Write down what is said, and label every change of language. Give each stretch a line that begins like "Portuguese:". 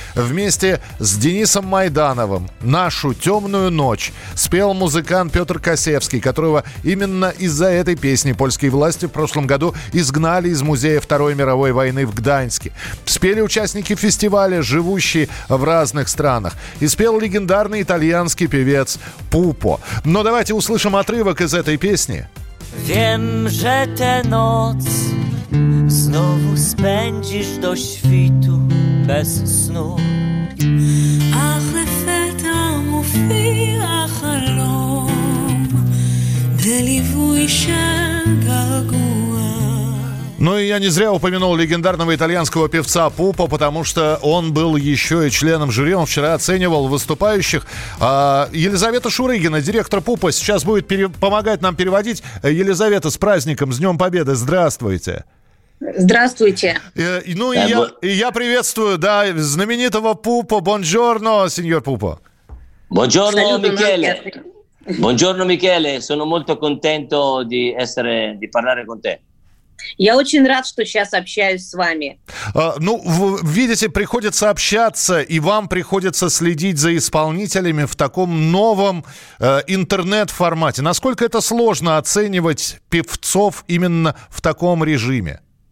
Russian: Вместе с Денисом Майдановым «Нашу темную ночь» спел музыкант Петр Косевский, которого именно из-за этой песни польские власти в прошлом году изгнали из музея Второй мировой войны в Гданьске. Спели участники фестиваля, живущие в разных странах. И спел легендарный итальянский певец Пупо. Но давайте услышим отрывок из этой песни.
Polish: Wiem, że tę noc znowu spędzisz do świtu bez snu. Ach, lefet amufi, ach, alom, deliwuj się gagu.
Russian: Ну и я не зря упомянул легендарного итальянского певца Пупо, потому что он был еще и членом жюри. Он вчера оценивал выступающих. Елизавета Шурыгина, директор Пупо, сейчас будет помогать нам переводить. Елизавета, с праздником, с Днем Победы, здравствуйте. Здравствуйте. Ну и я приветствую, да, знаменитого Пупо.
Italian: Бонджорно, сеньор Пупо. Бонджорно, Микеле. Бонджорно, Микеле. Sono molto contento di essere, di parlare con te.
Russian: Я очень рад, что сейчас общаюсь с вами. Ну, видите, приходится общаться, и вам приходится следить за исполнителями в таком новом интернет-формате. Насколько это сложно оценивать певцов именно в таком режиме?